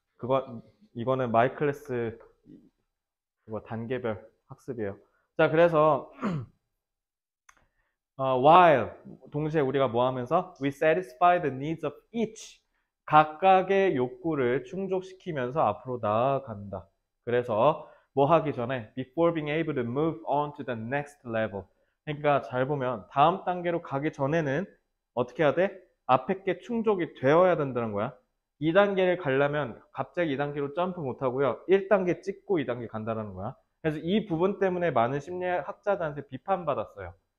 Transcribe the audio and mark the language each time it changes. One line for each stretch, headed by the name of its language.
Korean: 그거, 이거는 마이 클래스, 그거 단계별 학습이에요. 자, 그래서, while, 동시에 우리가 뭐 하면서?
English: We satisfy the needs of each.
Korean: 각각의 욕구를 충족시키면서 앞으로 나아간다. 그래서, 뭐 하기 전에?
English: Before being able to move on to the next level.
Korean: 그러니까 잘 보면, 다음 단계로 가기 전에는 어떻게 해야 돼? 앞에 게 충족이 되어야 된다는 거야. 2단계를 가려면 갑자기 2단계로 점프 못 하고요. 1단계 찍고 2단계 간다는 거야. 그래서 이 부분 때문에 많은 심리학자들한테 비판받았어요.